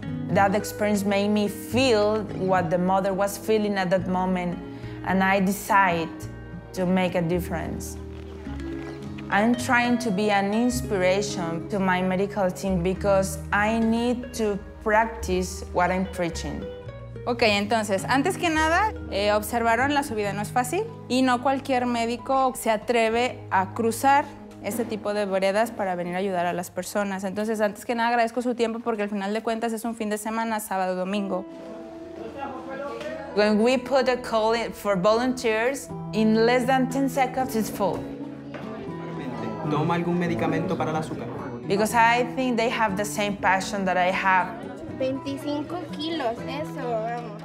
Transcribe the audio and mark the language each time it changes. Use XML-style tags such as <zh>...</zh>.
<en>That experience made me feel what the mother was feeling at that moment, and I decided to make a difference. I'm trying to be an inspiration to my medical team because I need to practice what I'm preaching.</en> <es>Okay, entonces, antes que nada, observaron la subida no es fácil y no cualquier médico se atreve a cruzar este tipo de veredas para venir a ayudar a las personas. Entonces, antes que nada, agradezco su tiempo porque al final de cuentas es un fin de semana, sábado, domingo.</es> <en>When we put a call for volunteers, in less than 10 seconds, it's full.</en> <es>¿Toma algún medicamento para el azúcar?</es> <en>Because I think they have the same passion that I have.</en> <es>25 kilos, eso, vamos.</es>